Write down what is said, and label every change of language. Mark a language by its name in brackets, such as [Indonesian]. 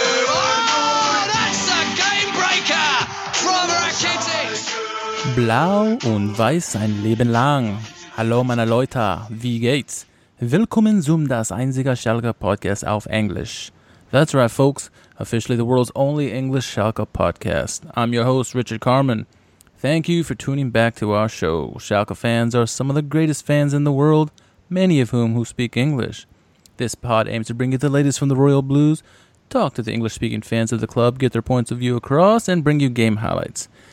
[English] Oh, that's a game breaker from Rakitic! [German] Blau und weiß ein Leben lang. Hallo, meine Leute, wie geht's? Willkommen zum Das Einzige Schalke Podcast auf Englisch. [English] That's right, folks. Officially the world's only English Schalke podcast. I'm your host, Richard Carman. Thank you for tuning back to our show. Schalke fans are some of the greatest fans in the world, many of whom who speak English. This pod aims to bring you the latest from the Royal Blues, talk to the English-speaking fans of the club, get their points of view across, and bring you game highlights.